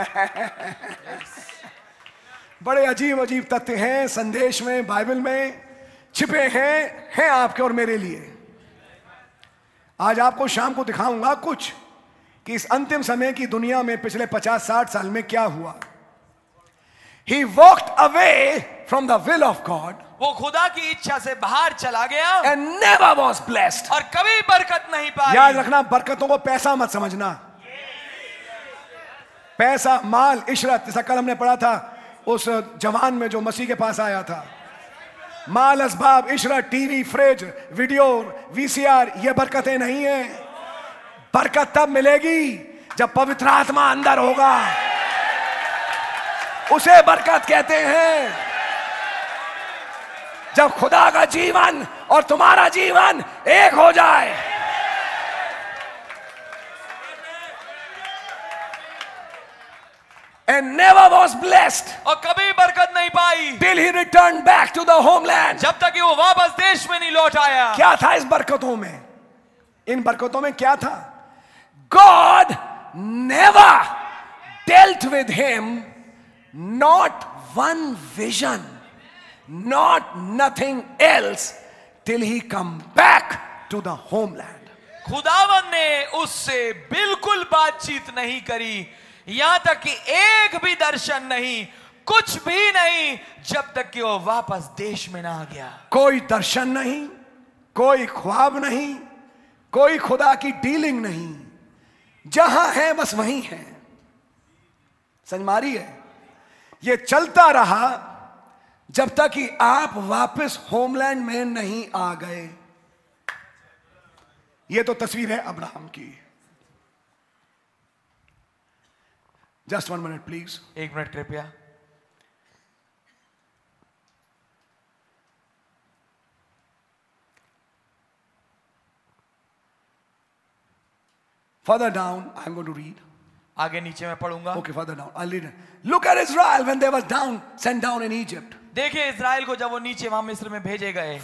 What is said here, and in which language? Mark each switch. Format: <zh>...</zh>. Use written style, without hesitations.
<hi>बड़े अजीब अजीब तथ्य हैं संदेश में, बाइबल में छिपे हैं, हैं आपके और मेरे लिए. आज आपको शाम को दिखाऊंगा कुछ कि इस अंतिम समय की दुनिया में पिछले 50-60 साल में क्या हुआ.</hi> <en>He walked away from the will of God.</en> <hi>वो खुदा की इच्छा से बाहर चला गया.</hi> <en>And never was blessed.</en> <hi>और कभी बरकत नहीं पाया. याद रखना बरकतों को पैसा मत समझना. पैसा, माल, इशरत, जैसा कल हमने पढ़ा था उस जवान में जो मसीह के पास आया था. माल, असबाब, Ishrat, TV, fridge, video, VCR, ये बरकतें नहीं है. बरकत तब मिलेगी जब पवित्र आत्मा अंदर होगा उसे बरकत कहते हैं। जब खुदा का जीवन और तुम्हारा जीवन एक हो जाए,</hi> <en>and never was blessed,</en> <hi>और कभी बरकत नहीं पाई,</hi> <en>till he returned back to the homeland,</en> <hi>जब तक कि वो वापस देश में नहीं लौट आया। क्या था इस बरकतों में? इन बरकतों में क्या था?</hi> <en>God never dealt with him, not one vision, not nothing else, till he come back to the homeland.</en> <hi>खुदावन ने उससे बिल्कुल बातचीत नहीं करी, यहां तक कि एक भी दर्शन नहीं, कुछ भी नहीं, जब तक कि वो वापस देश में ना आ गया। कोई दर्शन नहीं, कोई ख्वाब नहीं, कोई खुदा की डीलिंग नहीं, जहां है बस वहीं है। संजमारी है ये, चलता रहा जब तक कि आप वापस होमलैंड में नहीं आ गए। ये तो तस्वीर है अब्राहम की।</hi> <en>Just one minute, please.</en> <hi>एक मिनट कृपया।</hi> <en>Further down, I'm going to read.</en> <hi>आगे नीचे मैं पढ़ूंगा।</hi> <en>Okay, further down, I'll read. Look at Israel when they was down, sent down in Egypt.</en> <hi>देखे इज़राइल को जब वो नीचे वहां मिस्र में भेजे गए।</hi>